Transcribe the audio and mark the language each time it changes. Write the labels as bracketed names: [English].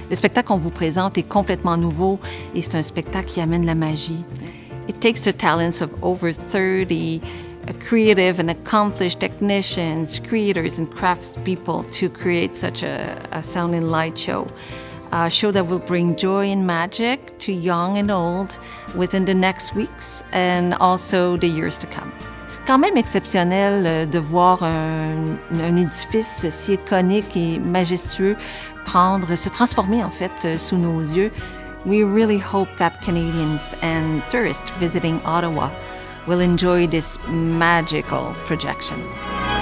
[French] Le spectacle qu'on vous présente est complètement nouveau et c'est un spectacle qui amène la magie. [English] It takes the talents of over 30 creative and accomplished technicians, creators and craftspeople to create such a sound and light show. A show that will bring joy and magic to young and old within the next weeks and also the years to come. [French] C'est quand même exceptionnel de voir un édifice si iconique et majestueux se transformer en fait sous nos yeux. [English] We really hope that Canadians and tourists visiting Ottawa will enjoy this magical projection.